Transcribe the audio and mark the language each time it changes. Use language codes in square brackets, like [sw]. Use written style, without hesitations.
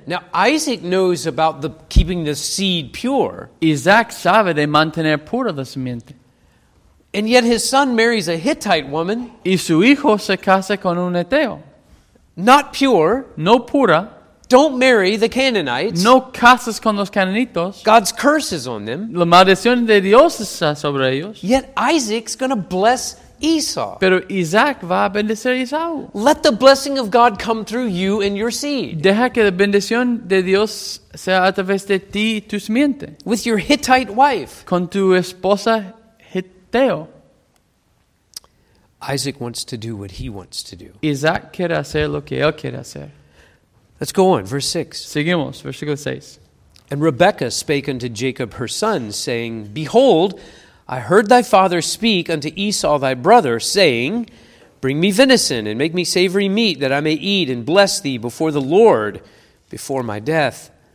[en] Now Isaac knows about the keeping the seed pure. [es] Isaac sabe de mantener pura la simiente. [en] And yet his son marries a Hittite woman. [es] Y su hijo se casa con un Eteo. [en] Not pure. [es] No pura. [en] Don't marry the Canaanites. [es] No casas con los cananitos. [en] God's curse is on them. [es] La maldición de Dios está sobre ellos. [en] Yet Isaac's going to bless Esau. [es] Pero Isaac va a bendecir a Esau. [en] Let the blessing of God come through you and your seed. [es] Deja que la bendición de Dios sea a través de ti y tu simiente. [en] With your Hittite wife. [es] Con tu esposa Hiteo. [en] Isaac wants to do what he wants to do. [es] Isaac quiere hacer lo que él quiere hacer. [en] Let's go on, verse 6. [es] Seguimos, versículo 6. [en] And Rebekah spake unto Jacob her son, saying, Behold, I heard thy father speak unto Esau thy brother, saying, Bring me venison, and make me savory meat, that I may eat and bless thee before the Lord, before my death.